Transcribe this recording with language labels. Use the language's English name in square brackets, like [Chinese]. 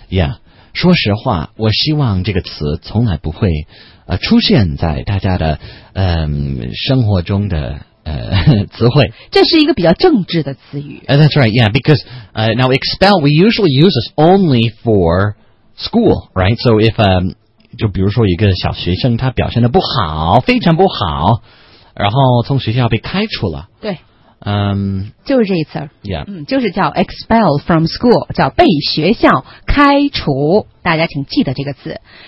[Chinese] Yeah， 说实话，我希望这个词从来不会出现在大家的生活中的词汇。这是一个比较政治的词语。 [English] That's right. Yeah, because now expel we usually use this only for school, right? [Chinese] So if就比如说一个小学生他表现得不好，非常不好，然后从学校被开除了。对。就是这一词。 [English] Yeah. [Chinese] 就是叫 [English] expel from school， [Chinese] 叫被学校开除。大家请记得这个词。